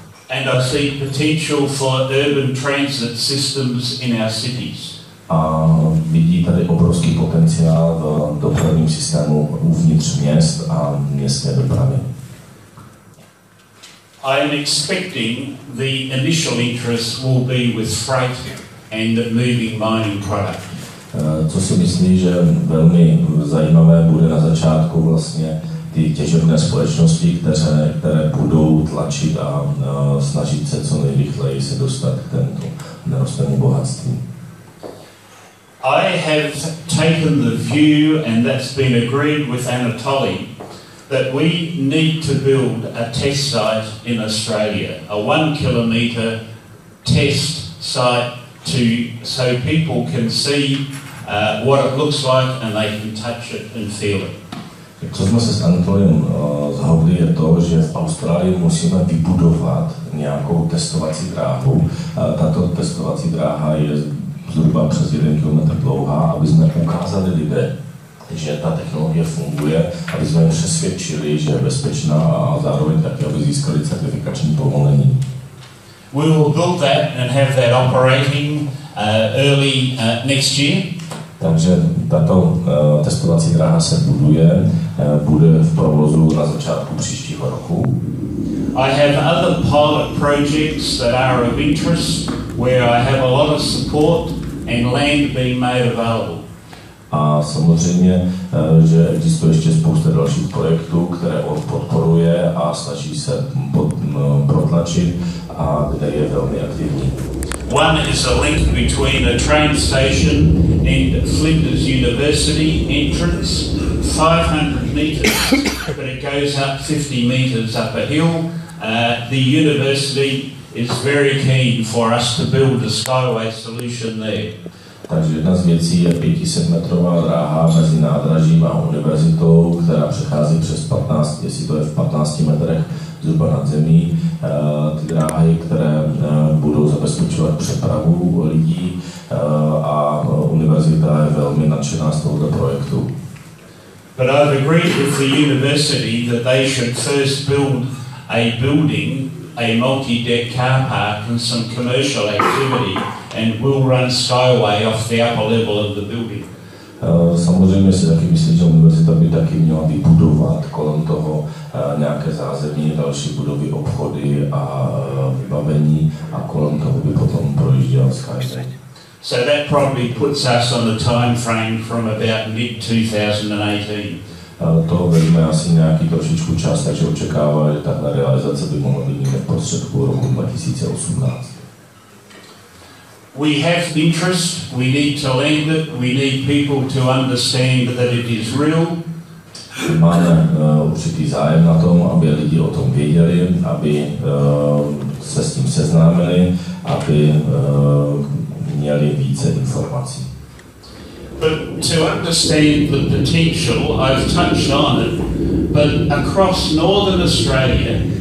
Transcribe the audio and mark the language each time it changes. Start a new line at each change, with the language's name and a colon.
English: And I see potential for urban transit systems in our cities.
Czech: A vidí tady obrovský potenciál v dopravním systému uvnitř měst a městské dopravy.
English: I am expecting the initial interest will be with freight and moving mining product.
Czech: Co si myslí, že velmi zajímavé bude na začátku vlastně ty těžebné společnosti, které budou tlačit a snažit se co nejrychleji se dostat k tento nerostnému bohatství.
English: I have taken the view, and that's been agreed with Anatoly, that we need to build a test site in Australia, a 1 kilometer test site to so people can see what it looks like and they can touch it and feel it.
Czech: Co jsme se s Anatolem zhodli je to, že v Austrálii musíme vybudovat nějakou testovací dráhu. Tato testovací dráha je zhruba přes 1 kilometr dlouhá, aby jsme ukázali lidé, že ta technologie funguje, aby jsme přesvědčili, že je bezpečná a zároveň taky, aby získali certifikační povolení.
English: We will build that and have that operating early next year.
Czech: Takže tato testovací dráha se buduje, bude v provozu na začátku příštího roku.
English: I have other pilot projects that are of interest, where I have a lot of support and land being made available.
Czech: A samozřejmě, že existuje ještě spousta dalších projektů, které on podporuje a snaží se protlačit a kde je velmi aktivní.
English: One is a link between a train station and Flinders University entrance, 500 meters, but it goes up 50 meters up a hill. The university is very keen for us to build a Skyway solution there.
Czech: Takže jedna z věcí je 500metrová dráha mezi nádražím a univerzitou, která přechází přes 15, jestli to je v 15 metrech zhruba nad zemí. Ty dráhy, které budou zabezpečovat přepravu lidí a univerzita je velmi nadšená z tohoto projektu.
English: But I've agreed with the university that they should first build a building, a multi-deck car park and some commercial activity, and we'll run Skyway off the upper level of the building.
Czech: Samozřejmě si taky myslím, že univerzita by taky měla vybudovat kolem toho nějaké zázemí, další budovy, obchody a vybavení a kolem toho by potom projížděl Skyway.
English: So that probably puts us on the time frame from about mid-2018.
Czech: To vezme asi nějaký trošičku čas, takže očekává, že tahle realizace by mohla být v prostředku roku 2018.
English: We have interest, we need to land it, we need people to understand that it is real.
Czech: Máme určitý zájem na tom, aby lidi o tom věděli, aby se s tím seznámili, aby měli více informací.
English: But to understand the potential, I've touched on it, but across northern Australia.